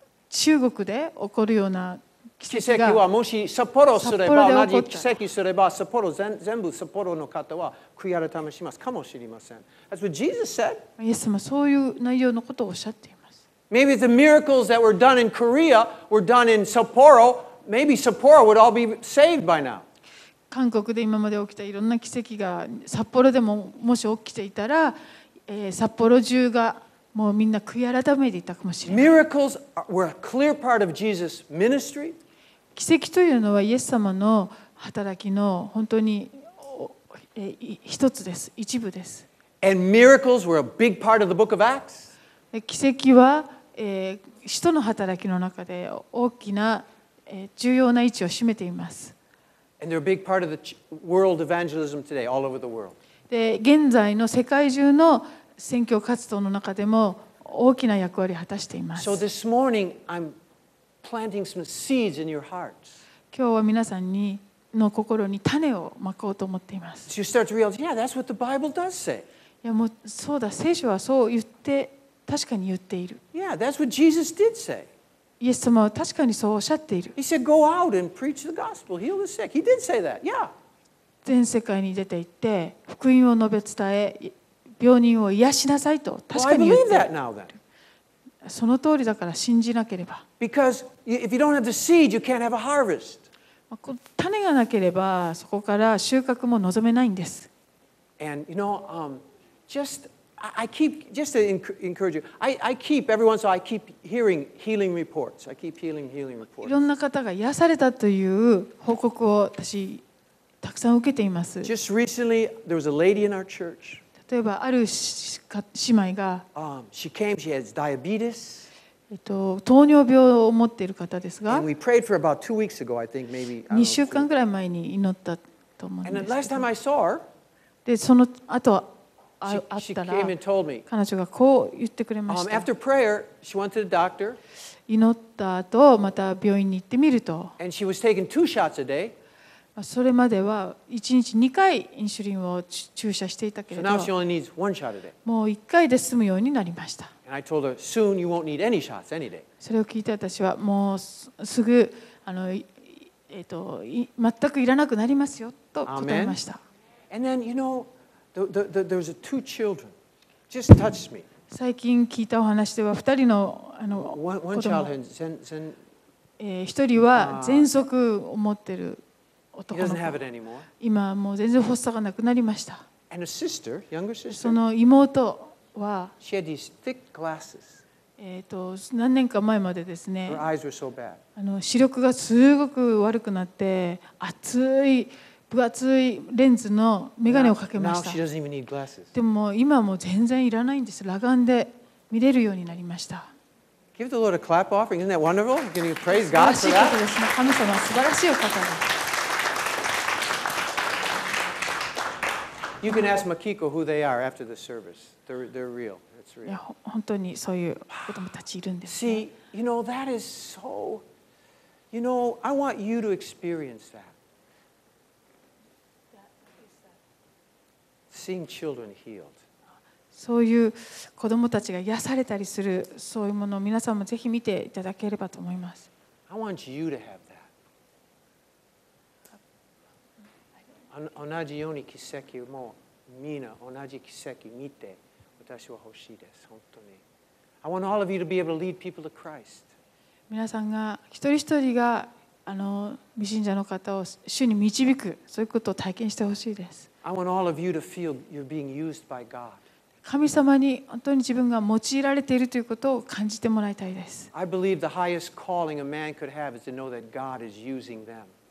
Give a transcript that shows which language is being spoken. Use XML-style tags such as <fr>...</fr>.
<ja>中国で起こるような奇跡が、奇跡はもし Sapporo すれば、同じ奇跡すれば、Sapporo 全部 Sapporo の方は悔い改めしますかもしれません。</ja> <en>That's what Jesus said.</en> <ja>イエス様、そういう内容のことをおっしゃっています。</ja> <en>Maybe if the miracles that were done in Korea were done in Sapporo, maybe Sapporo would all be saved by now.</en> <ja>韓国で今まで起きたいろんな奇跡が札幌でももし起きていたら、札幌中がもうみんな悔い改めていたかもしれない。</ja> <en>Miracles were a clear part of Jesus' ministry.</en> <ja>奇跡というのはイエス様の働きの本当に、一つです、一部です。</ja> <en>And miracles were a big part of the book of Acts.</en> <ja>奇跡は、使徒の働きの中で大きな、重要な位置を占めています。</ja> <en>And they're a big part of the world evangelism today, all over the world.</en> <ja>で、現在の世界中の宣教活動の中でも大きな役割を果たしています。</ja> <en>So this morning, I'm planting some seeds in your hearts.</en> <ja>今日は皆さんにの心に種をまこうと思っています。</ja> <en>So you start to realize, yeah, that's what the Bible does say.</en> <ja>いや、もうそうだ、聖書はそう言って、確かに言っている。</ja> <en>Yeah, that's what Jesus did say.</en> <ja>イエス様は確かにそうおっしゃっている。</ja> <en>He said, "Go out and preach the gospel, heal the sick." He did say that. Yeah.</en> <ja>全世界に出て行って福音を述べ伝え、病人を癒しなさいと確かに言っている。</ja> <en>Well, I believe that now, then.</en> <ja>その通りだから信じなければ。</ja> <en>Because if you don't have the seed, you can't have a harvest.</en> <ja>種がなければそこから収穫も望めないんです。</ja> <en>And you know, just. I keep just to encourage you. I keep every once in a while. I keep hearing healing reports. I keep hearing healing reports.</en> <ja>いろんな方が癒されたという報告を私たくさん受けています。</ja> <en>Just recently, there was a lady in our church.</en> <ja>例えばある姉妹が、</ja> <en>she came. She has diabetes.</en> <ja>糖尿病を持っている方ですが、</ja> <en>and we prayed for about two weeks ago. I think maybe</en> <ja>二週間くらい前に祈ったと思うんです。</ja> <en>And the last time I saw her,</en> <ja>でその後は。</ja> <en>She, she</en> <ja>彼女がこう言ってくれました。</ja> <en>After prayer, she went to the doctor.</en> <ja>祈った後また病院に行ってみると、</ja> <en>and she was taking two shots a day.</en> <ja>それまでは一日2回インシュリンを注射していたけれど、</ja> <en>so now she only needs one shot a day.</en> <ja>もう1回で済むようになりました。</ja> <en>And I told her, soon you won't need any shots any day.</en> <ja>それを聞いて私はもうすぐ全くいらなくなりますよと答えました。</ja> <en>Amen. And then you know. There was two children. Just touch me.</en> <ja>最近聞いたお話では2人 の, あの子供1人は喘息を持っている男の子、今もう全然発作がなくなりました。その妹は何年か前までですね、あの視力がすごく悪くなって、厚い分厚いレンズの眼鏡をかけました。でも今はもう全然いらないんです。裸眼で見れるようになりました。</ja> <en>Give the Lord a clap offering. Isn't that wonderful? Can you praise God for that?</en> <ja>素晴らしい方ですね。神様は素晴らしい方です。</ja> <en>You can ask Makiko who they are after the service. They're real. That's real.</en> <ja>本当にそういう子供たちいるんですね。</ja> <en>See, you know, that is so... You know, I want you to experience that. Seeing children healed.</en> <ja>そういう子どもたちが癒されたりする、そういうものを皆さんもぜひ見ていただければと思います。</ja> <en>I want you to have that.</en> <ja>同じように奇跡もみんな同じ奇跡見て、私は欲しいです。本当に</ja> <en>I want all of you to be able to lead people to Christ.</en> <ja>皆さんが一人一人が未信者の方を主に導く、そういうことを体験してほしいです。</ja> <en>I want all of you to feel you're being used by God.</en> <ja>神様に本当に自分が用いられているということを感じてもらいたいです。</ja> <en>I believe the highest calling a man could have is to know that God is using them.</en>